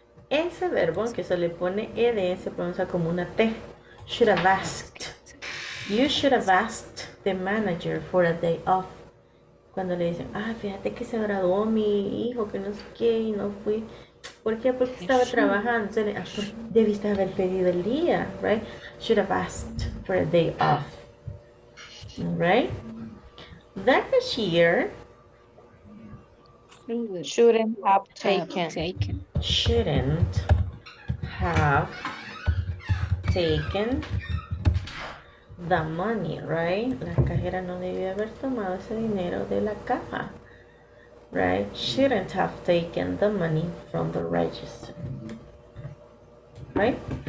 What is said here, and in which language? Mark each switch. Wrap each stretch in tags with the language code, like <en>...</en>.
<es>Ese verbo que se le pone ed se pronuncia como una t.</es> <en>Should have asked. You should have asked the manager for a day off.</en> <es>Cuando le dicen, ah, fíjate que se graduó mi hijo, que no sé qué, y no fui. ¿Por qué? Porque estaba trabajando. Se le, ah, pues, debiste haber pedido el día, right?</es> <en>Should have asked for a day off. Right? The cashier shouldn't have taken the money, right?</en> <es>La cajera no debió haber tomado ese dinero de la caja, right?</es> <en>Shouldn't have taken the money from the register, right?</en>